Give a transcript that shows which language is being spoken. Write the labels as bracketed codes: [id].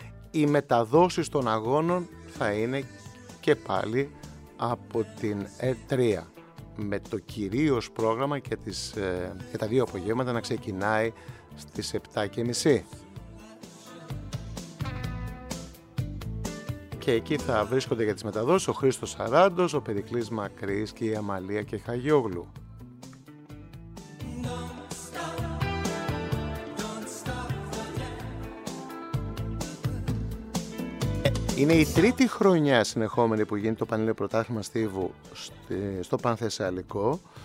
[el] Η μεταδόση των αγώνων θα είναι και πάλι από την ΕΡΤ3, με το κυρίως πρόγραμμα και τα δύο απογεύματα να ξεκινάει στις 7:30. Και εκεί θα βρίσκονται για τις μεταδόσεις ο Χρήστος Σαράντος, ο Περικλής Μακρύς και η Αμαλία και η Χαγιόγλου. [en] Don't stop, don't stop, yeah. [el] Είναι η τρίτη χρονιά συνεχόμενη που γίνεται το Πανελλήνιο Πρωτάθλημα Στίβου στο Πανθεσσαλικό.